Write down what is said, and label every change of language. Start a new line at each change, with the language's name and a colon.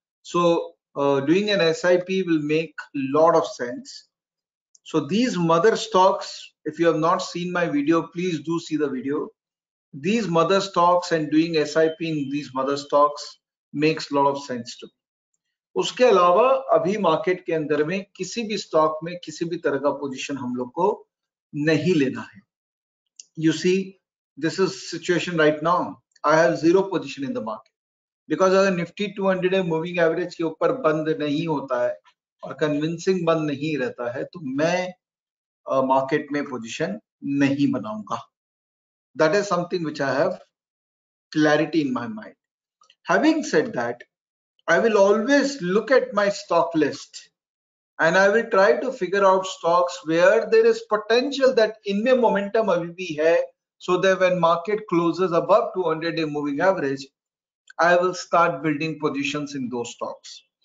English: So doing an SIP will make a lot of sense. So these mother stocks, if you have not seen my video, please do see the video. These mother stocks and doing SIP in these mother stocks makes a lot of sense to me.
Hindi: उसके अलावा अभी market के अंदर में किसी भी stock में किसी भी तरह का पोजीशन हम लोग को नहीं लेना है.
English: You see this is situation right now. I have zero position in the market because
Hindi: अगर निफ्टी 200 डे मूविंग एवरेज के ऊपर बंद नहीं होता है और कन्विंसिंग बंद नहीं रहता है तो मैं मार्केट में पोजीशन नहीं बनाऊंगा.
English: That is something which I have clarity in my mind. Having said that, I will always look at my stock list and I will try to figure out stocks where there is potential that in my momentum
Hindi: abhi bhi hai,
English: so that when market closes above 200 day moving average, I will start building positions in those stocks.